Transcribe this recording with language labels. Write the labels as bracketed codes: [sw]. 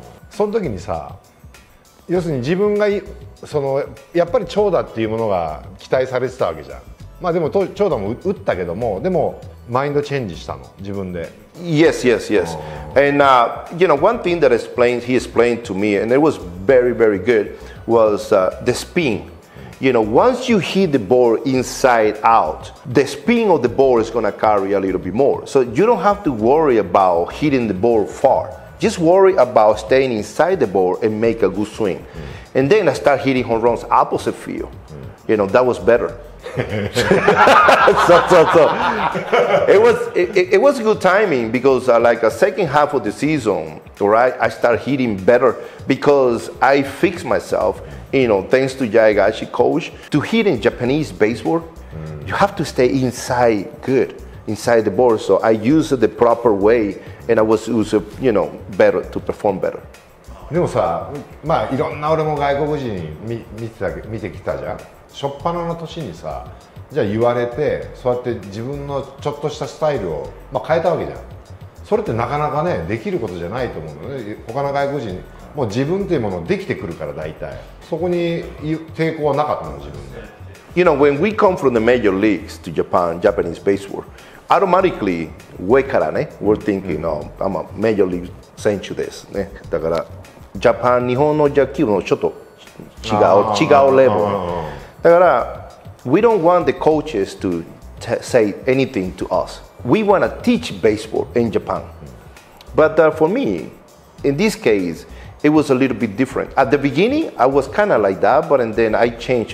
[ja] その時にさ、要するに自分がそのやっぱり長打っていうものが期待されてたわけじゃん。まあでも長打も打ったけども、でもマインドチェンジしたの自分で。 [en] Yes, yes, yes. And you know, one thing that explained, he explained to me, and it was very, very good, was the spin. You know, once you hit the ball inside out, the spin of the ball is going to carry a little bit more. So you don't have to worry about hitting the ball far. Just worry about staying inside the ball and make a good swing. And then I start hitting home runs opposite field. You know, that was better. So. It was good timing because like a second half of the season, right, I started hitting better because I fixed myself, you know, thanks to Jayagashi coach. To hit in Japanese baseball, you have to stay inside good, inside the ball. So I used the proper way and I was, you know, better to perform better. [ja] でもさ、まあいろんな俺も外国人見てきたじゃん。初っ端の年にさ、じゃあ言われて、そうやって自分のちょっとしたスタイルを、まあ、変えたわけじゃん。それってなかなかね、できることじゃないと思うのね。他の外国人、もう自分というものできてくるから大体。そこに抵抗はなかったの、自分で。 [en] You know, when we come from the major leagues to Japan, Japanese baseball, automatically, [ja] 上からね、 [en] we're thinking, you know, I'm a major league [ja] 選手ですね。だから、ジャパン、日本の野球のちょっと違うレベル。だから、 [en] we don't want the coaches to say anything to us. We want to teach baseball in Japan. But for me, in this case, it was a little bit different. At the beginning, I was kind of like that, but and then I changed.